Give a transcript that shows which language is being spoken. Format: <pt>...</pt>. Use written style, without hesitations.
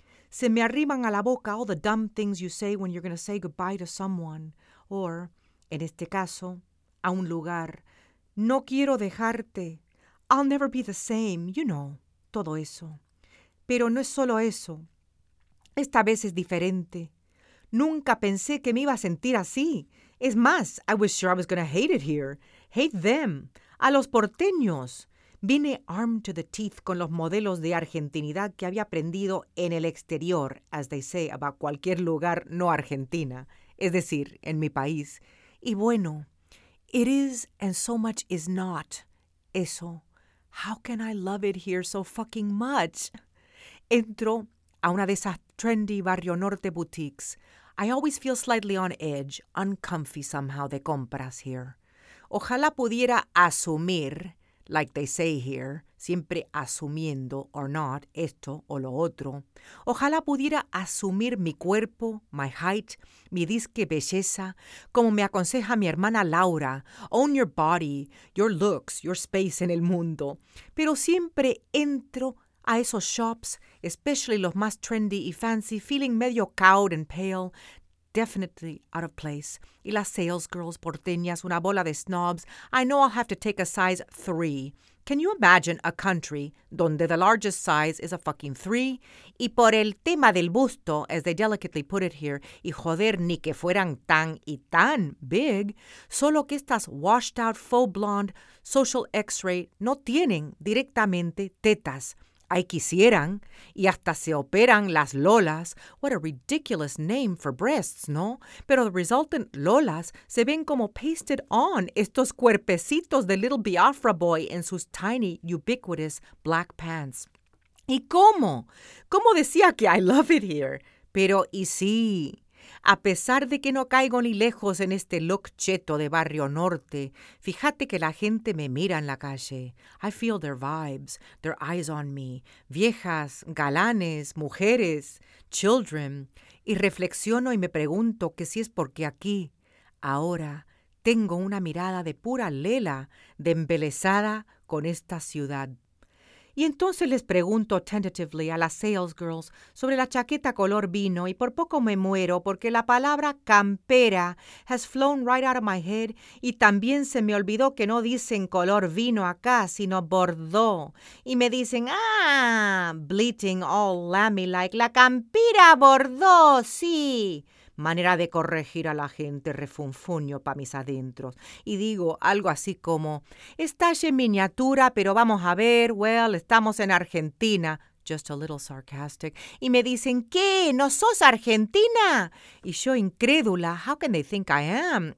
<es>Se me arriman a la boca</es> <en>all the dumb things you say when you're going to say goodbye to someone, or,</en> <es>en este caso, a un lugar. No quiero dejarte.</es> <en>I'll never be the same, you know,</en> <es>todo eso. Pero no es solo eso. Esta vez es diferente. Nunca pensé que me iba a sentir así. Es más,</es> <en>I was sure I was going to hate it here. Hate them.</en> <es>A los porteños. Vine</es> <en>armed to the teeth</en> <es>con los modelos de argentinidad que había aprendido en el exterior,</es> <en>as they say about</en> <es>cualquier lugar no Argentina, es decir, en mi país. Y bueno,</es> <en>it is and so much is not.</en> <es>Eso.</es> <en>How can I love it here so fucking much?</en> <es>Entro a una de esas</es> <en>trendy Barrio Norte boutiques. I always feel slightly on edge, uncomfy somehow,</en> <es>de compras</es> <en>here.</en> <es>Ojalá pudiera asumir,</es> <en>like they say here,</en> <es>siempre asumiendo</es> <en>or not,</en> <es>esto o lo otro. Ojalá pudiera asumir mi cuerpo,</es> <en>my height,</en> <es>mi disque belleza, como me aconseja mi hermana Laura.</es> <en>Own your body, your looks, your space</en> <es>en el mundo. Pero siempre entro a esos</es> <en>shops, especially</en> <es>los más</es> <en>trendy y fancy, feeling medio cowed and pale, definitely out of place.</en> <es>Y las sales girls porteñas, una bola de snobs.</es> <en>I know I'll have to take a size 3. Can you imagine a country</en> <es>donde</es> <en>the largest size is a fucking 3?</en> <es>Y por el tema del busto,</es> <en>as they delicately put it here,</en> <es>y joder, ni que fueran tan y tan big, solo que estas</es> <en>washed out, faux blonde, social x-ray</en> <es>no tienen directamente tetas. Ay, quisieran, y hasta se operan las lolas.</es> <en>What a ridiculous name for breasts, ¿no? Pero the resultant lolas</en> <es>se ven como</es> <en>pasted on</en> <es>estos cuerpecitos de</es> <en>little Biafra boy en sus tiny, ubiquitous black pants.</en> <es>¿Y cómo? ¿Cómo decía que</es> <en>I love it here?</en> <es>Pero, y sí, a pesar de que no caigo ni lejos en este look cheto de Barrio Norte, fíjate que la gente me mira en la calle.</es> <en>I feel their vibes, their eyes on me.</en> <es>Viejas, galanes, mujeres, children. Y reflexiono y me pregunto que si es porque aquí, ahora, tengo una mirada de pura lela, de embelesada con esta ciudad. Y entonces les pregunto tentatively a las sales girls sobre la chaqueta color vino y por poco me muero porque la palabra campera</es> <en>has flown right out of my head</en> <es>y también se me olvidó que no dicen color vino acá, sino Bordeaux. Y me dicen, ah,</es> <en>bleating all lamy-like,</en> <es>la campera Bordeaux, sí. Manera de corregir a la gente, refunfuño pa' mis adentros. Y digo algo así como, estalle en miniatura, pero vamos a ver, well, estamos en Argentina.</es> <en>Just a little sarcastic.</en> <es>Y me dicen, ¿qué? ¿No sos argentina? Y yo incrédula,</es> <en>how can they think I am?</en>